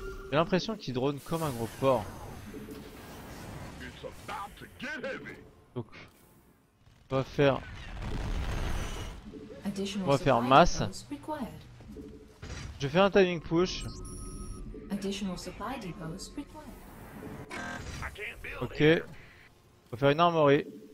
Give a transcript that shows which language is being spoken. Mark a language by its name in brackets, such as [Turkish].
[French] J'ai l'impression qu'il drone comme un gros porc. [English] It's about to get heavy. [French] Donc, on va faire masse. [English] Required. [French] Je vais faire un timing push. [English] Additional supply depots required. [French] Ok. On va faire une armorerie.